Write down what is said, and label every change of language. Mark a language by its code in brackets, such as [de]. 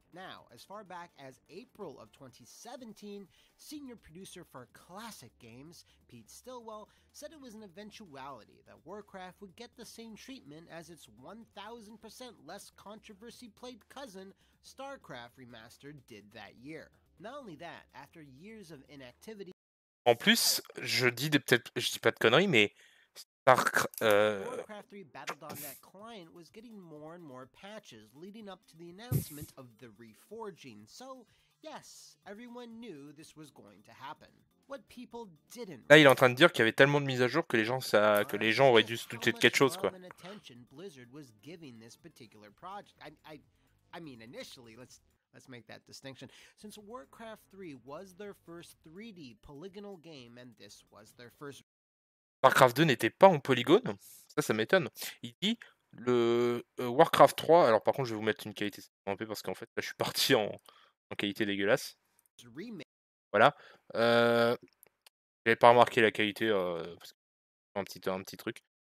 [en] Now, as far back as April of 2017, senior producer for classic games, Pete Stillwell, said it was an eventuality that Warcraft would get the same treatment as its 1000% less controversy-plagued cousin, StarCraft Remastered, did that year. Not only that, after years of inactivity... [fr] En plus, je dis pas de conneries, mais... [en] Warcraft 3 Battle.net client was getting more and more patches leading up to the announcement of the reforging. So, yes, everyone knew this was going to happen. What people didn't. [fr] Là, il est en train de dire qu'il y avait tellement de mises à jour que les gens auraient dû se douter de quelque chose, quoi. [en] Blizzard was giving this particular project. I mean, initially, let's make that distinction. Since Warcraft 3 was their first 3D polygonal game and this was their first. [fr] Warcraft 2 n'était pas en polygone, ça m'étonne. Il dit le Warcraft 3, alors par contre je vais vous mettre une qualité en paix parce qu'en fait là je suis parti en qualité dégueulasse. Voilà, j'avais pas remarqué la qualité parce que c'est un petit truc.